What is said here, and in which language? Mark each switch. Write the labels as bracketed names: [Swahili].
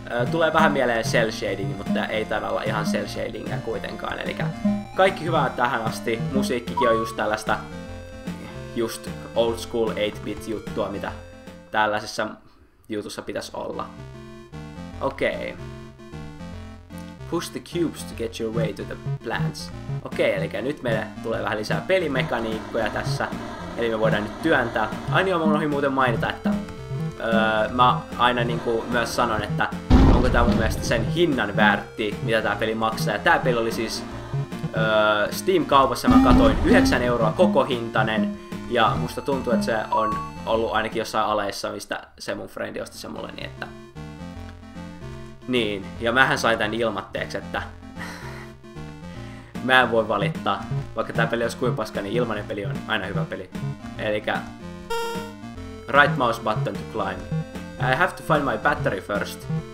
[Finnish] Tulee vähän mieleen cel shading, mutta ei taida olla ihan cel shadingä kuitenkaan, eli kaikki hyvää tähän asti, musiikkikin on just tällaista just old school 8-bit juttua, mitä tällaisessa jutussa pitäisi olla. Okei. Okay. [English] Push the cubes to get your way to the plants. [Finnish] Okei, eli nyt meille tulee vähän lisää pelimekaniikkoja tässä. Eli me voidaan nyt työntää. Ai niin, mä unohdin muuten mainita, että mä aina niinku myös sanon, että onko tää mun mielestä sen hinnan väärti, mitä tää peli maksaa. Ja tää peli oli siis Steam-kaupassa, mä katoin 9€ koko hintainen. Ja musta tuntuu, että se on ollut ainakin jossain aleissa, mistä se mun friendi osti se mulle, niin että... Niin, ja mähän sain tän ilmatteeksi, että... Mä en voi valittaa. Vaikka tää peli olisi kuin paska, niin ilmainen peli on aina hyvä peli. Elikkä... [English] Right mouse button to climb. I have to find my battery first.